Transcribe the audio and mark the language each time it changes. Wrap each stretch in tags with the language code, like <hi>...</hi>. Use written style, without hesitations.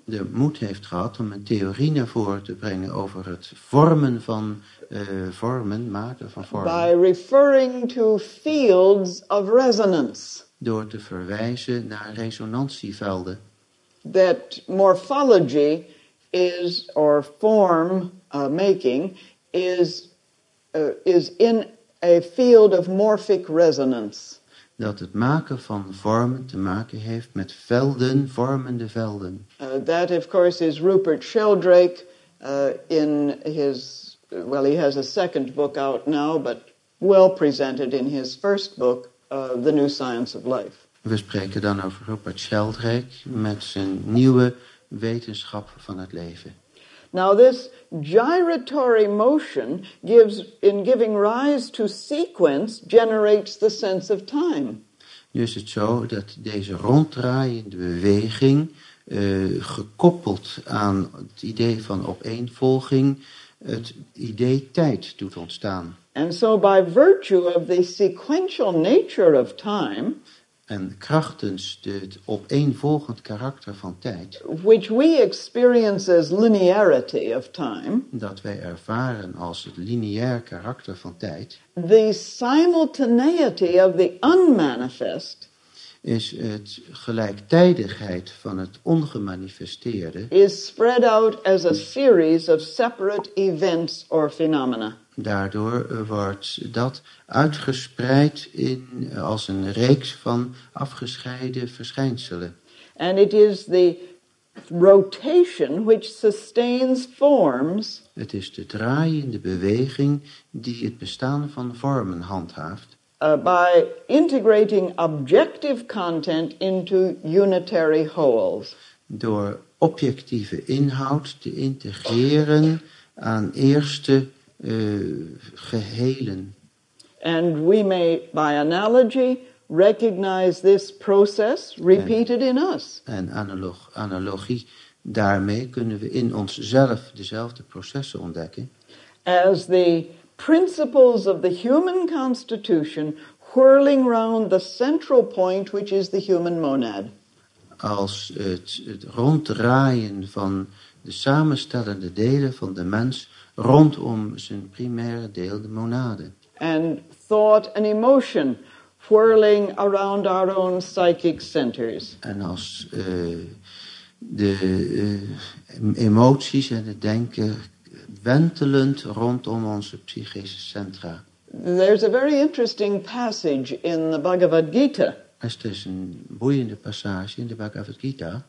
<nl>De moed heeft gehad om een theorie naar voren te brengen over het vormen van vormen, maken van vormen.</nl> <en>By referring to fields of resonance.</en> <nl>Door te verwijzen naar resonantievelden.</nl> <en>That morphology is, or form making, is in a field of morphic resonance.</en> <nl>Dat het maken van vormen te maken heeft met velden, vormende velden.</nl> <en>That, of course, is Rupert Sheldrake in his, well, he has a second book out now, but well presented in his first book. The New Science of Life.</en> <nl>We spreken dan over Rupert Sheldrake met zijn nieuwe wetenschap van het leven.</nl> <en>Now this gyratory motion gives, in giving rise to sequence, generates the sense of time.</en> <nl>Nu is het zo dat deze ronddraaiende beweging, gekoppeld aan het idee van opeenvolging, het idee tijd doet ontstaan.</nl> <en>And so by virtue of the sequential nature of time,</en> <nl>en krachtens het opeenvolgend karakter van tijd,</nl> <en>which we experience as linearity of time,</en> <nl>dat wij ervaren als het lineair karakter van tijd,</nl> <en>the simultaneity of the unmanifest,</en> <nl>is het gelijktijdigheid van het ongemanifesteerde,</nl> <en>is spread out as a series of separate events or phenomena.</en> <nl>Daardoor wordt dat uitgespreid in, als een reeks van afgescheiden verschijnselen.</nl> <en>And it is the rotation which sustains forms.</en> <nl>Het is de draaiende beweging die het bestaan van vormen handhaaft.</nl> <en>By integrating objective content into unitary wholes.</en> <nl>Door objectieve inhoud te integreren aan eerste gehelen.</nl> <en>And we may, by analogy, recognize this process repeated in us.</en> <nl>En analogie, daarmee kunnen we in onszelf dezelfde processen ontdekken.</nl> <en>As the principles of the human constitution whirling round the central point, which is the human monad.</en> <nl>Als het ronddraaien van de samenstellende delen van de mens rondom zijn primaire deel, de monade.</nl> <en>And thought and emotion whirling around our own psychic centers.</en> <nl>En als de emoties en het denken wentelend rondom onze psychische centra.</nl> <en>There's a very interesting passage in the Bhagavad Gita.</en> <nl>Het is een boeiende passage in de Bhagavad Gita.</nl>